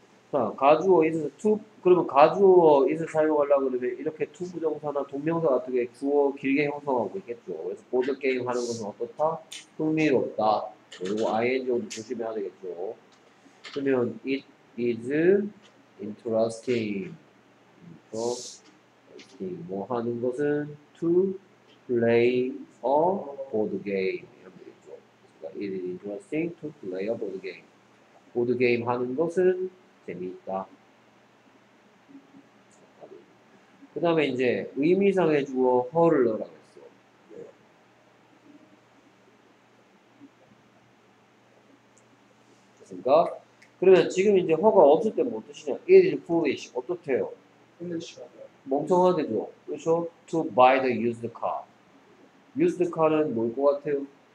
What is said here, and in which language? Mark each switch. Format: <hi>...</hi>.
<ko>자, 가주어 is, 투, 그러면 가주어 is 사용하려고 그러면 이렇게 to 부정사나 동명사 같은 게 주어 길게 형성하고 있겠죠. 그래서 보드게임 하는 것은 어떻다? 흥미롭다. 그리고 ing도 조심해야 되겠죠. 그러면</ko> <en>it is interesting.</en> <ko>인터레스팅. 뭐 하는 것은</ko> <en>to play a board game</en> <ko>이런 말이죠. 그러니까</ko> <en>it is interesting to play a board game.</en> <ko>보드 게임 하는 것은 재미있다. 그 다음에 이제 의미상의 주어 her를 넣으라고 했어. 됐습니까? 그러면 지금 이제 허가 없을 때 뭐 뜻이냐?</ko> <en>It is foolish.</en> <ko>어떻대요?</ko> <en>Foolish.</en> <ko>멍청하대죠. 그렇죠?</ko> <en>To buy the used car. Used car는</en> <ko>뭘 것 같아요?</ko>